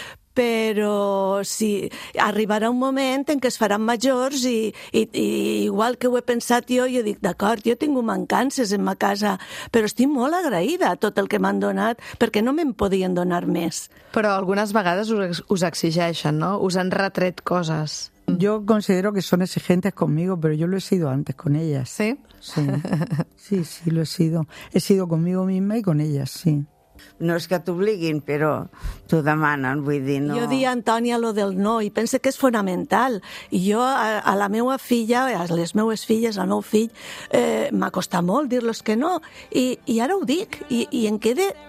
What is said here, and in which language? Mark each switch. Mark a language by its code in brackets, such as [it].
[ca] Però sí, arribarà un moment en què es faran majors i igual que ho he pensat jo dic, d'acord, jo tinc mancances en ma casa, però estic molt agraïda a tot el que m'han donat, perquè no me'n podien donar més. Però algunes vegades us exigeixen, no? Us han retret coses. [es] Yo considero que son exigentes conmigo, pero yo lo he sido antes con ellas. ¿Sí? Sí, sí, sí, lo he sido. He sido conmigo misma y con ellas, sí. [ca] No és que t'obliguin, però t'ho demanen, vull dir, no... Jo di a Antònia lo del no, i pense que és fonamental. Jo a la meva filla, a les meues filles, al meu fill, m'ha costat molt dir-los que no, i ara ho dic, i em quede...